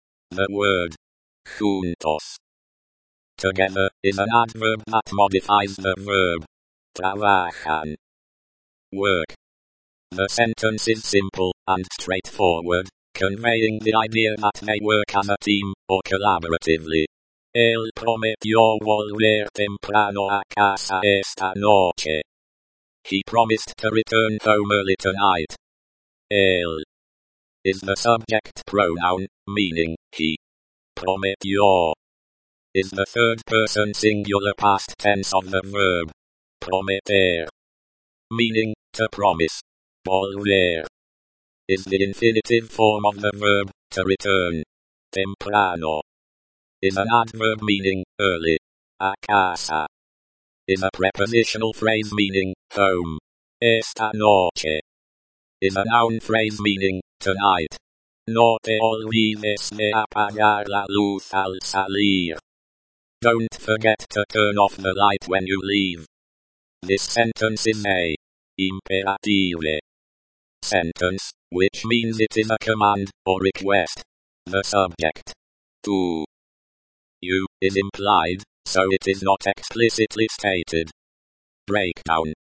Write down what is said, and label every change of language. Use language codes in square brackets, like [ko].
[en] The word, juntos, together, is an adverb that modifies the verb, trabajan, work. The sentence is simple and straightforward, conveying the idea that they work as a team, or collaboratively. [es] Él prometió volver temprano a casa esta noche. [en] He promised to return home early tonight. Él is the subject pronoun, meaning, he. Prometió is the third person singular past tense of the verb. Prometer, meaning, to promise. Volver is the infinitive form of the verb, to return. Temprano is an adverb meaning, early. [es] A casa [en] is a prepositional phrase meaning, home. [es] Esta noche [en] is a noun phrase meaning, tonight. [es] No te olvides de apagar la luz al salir. [en] Don't forget to turn off the light when you leave. This sentence is a imperative sentence, which means it is a command or request. The subject, tu, you, is implied, so it is not explicitly stated. Breakdown.